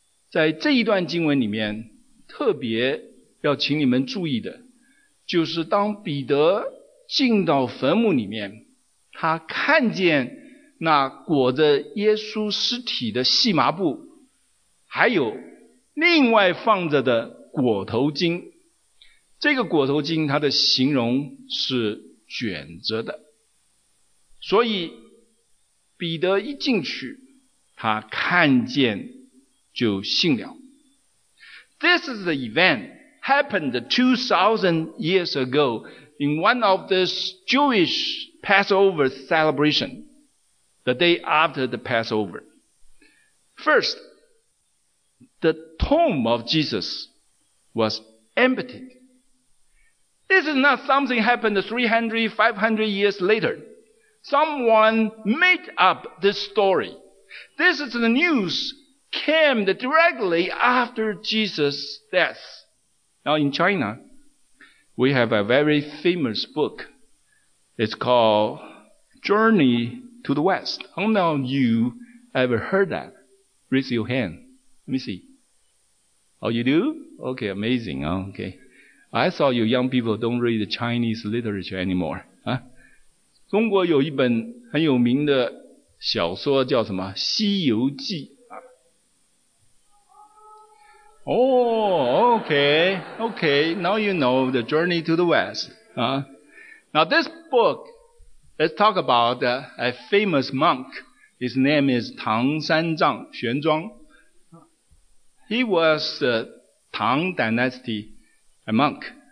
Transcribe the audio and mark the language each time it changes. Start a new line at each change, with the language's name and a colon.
Chinese: 在这一段经文里面，特别要请你们注意的，就是当彼得进到坟墓里面，他看见那裹着耶稣尸体的细麻布，还有另外放着的裹头巾，这个裹头巾它的形容是卷着的，所以彼得一进去，他看见就信了。
English: This is the event happened 2,000 years ago in one of this Jewish Passover celebration, the day after the Passover. First, the tomb of Jesuswas empty. This is not something happened 300, 500 years later. Someone made up this story. This is the news came directly after Jesus' death. Now in China, we have a very famous book. It's called Journey to the West. How many of you ever heard that? Raise your hand. Let me see. Oh, you do? Okay, amazing, okay. I thought you young people don't read Chinese literature anymore, huh?
Chinese: 中国有一本很有名的小说叫什么《西游记》。
English: Oh, okay, now you know the Journey to the West, huh? Now this book, let's talk about a famous monk. His name is 唐三藏玄奘。He was the Tang Dynasty, a monk.